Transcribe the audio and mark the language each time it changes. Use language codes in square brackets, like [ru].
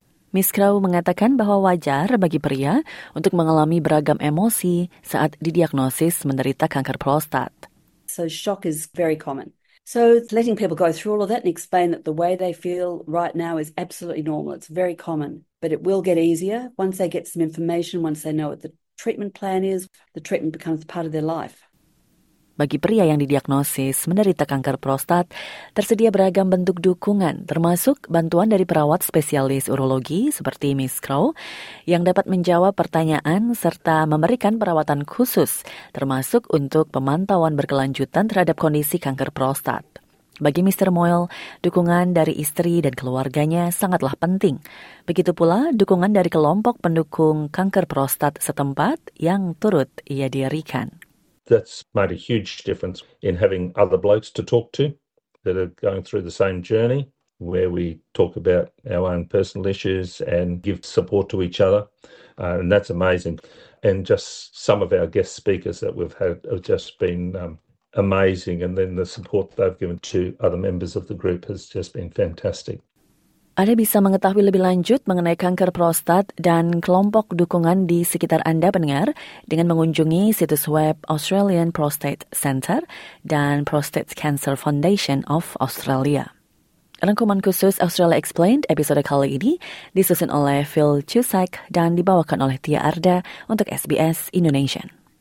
[id] Miss Crow mengatakan bahwa wajar bagi pria untuk mengalami beragam emosi saat didiagnosis menderita kanker prostat. [en] So shock is very common. So letting people go through all of that and explain that the way they feel right now is absolutely normal. It's very common, but it will get easier once they get some information, once they know what the treatment plan is, the treatment becomes part of their life. [id] Bagi pria yang didiagnosis menderita kanker prostat, tersedia beragam bentuk dukungan, termasuk bantuan dari perawat spesialis urologi seperti Miss Crow, yang dapat menjawab pertanyaan serta memberikan perawatan khusus, termasuk untuk pemantauan berkelanjutan terhadap kondisi kanker prostat. Bagi Mr. Moyle, dukungan dari istri dan keluarganya sangatlah penting. Begitu pula dukungan dari kelompok pendukung kanker prostat setempat yang turut ia dirikan. [en] That's made a huge difference in having other blokes to talk to that are going through the same journey, where we talk about our own personal issues and give support to each other, and that's amazing. And just some of our guest speakers that we've had have just been amazing, and then the support they've given to other members of the group has just been fantastic. [id] Anda bisa mengetahui lebih lanjut mengenai kanker prostat dan kelompok dukungan di sekitar Anda, pendengar, dengan mengunjungi situs web Australian Prostate Centre dan Prostate Cancer Foundation of Australia. Rangkuman khusus Australia Explained episode kali ini disusun oleh Phil Cusack dan dibawakan oleh Tia Arda untuk SBS Indonesian.